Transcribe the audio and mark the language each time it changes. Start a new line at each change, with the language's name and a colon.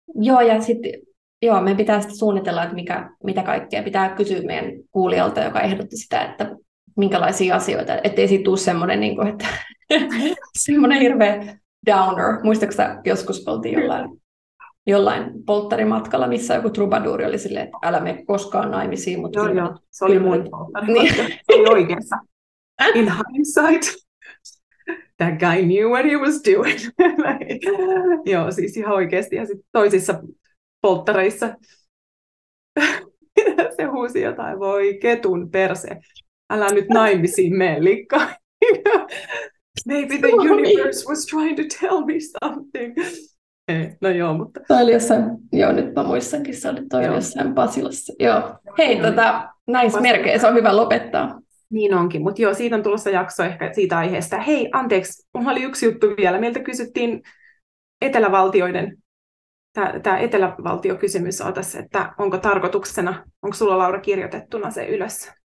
Finnish: Joo, ja sitten joo, meidän pitää sitten suunnitella, että mitä kaikkea pitää kysyä meidän kuulijalta, joka ehdotti sitä, että minkälaisia asioita, ettei siitä tule semmoinen, niin kuin, että semmoinen hirveä downer. Muistatko sä, joskus oltiin jollain polttarimatkalla, missä joku trubaduuri oli silleen, että älä mene koskaan naimisiin. Mutta joo, se oli mun polttarimatka. Ei oikeassa.
English: In hindsight, that guy knew what he was doing.
Finnish: Joo, siis ihan oikeasti. Ja sitten toisissa polttareissa se huusi jotain, voi ketun perse. Älä nyt naimisiin mene, likka.
English: Maybe the universe was trying to tell me something.
Finnish: No joo, mutta... Toi oli jossain, joo, nyt mä muissankin, se oli toi jossain Pasilassa. Joo. Hei, näissä merkeissä on hyvä lopettaa. Niin onkin, mutta joo, siitä on tulossa jakso ehkä siitä aiheesta. Hei, anteeksi, mulla oli yksi juttu vielä. Meiltä kysyttiin etelävaltioiden, tämä etelävaltiokysymys on tässä, että onko tarkoituksena, onko sulla Laura kirjoitettuna se ylös?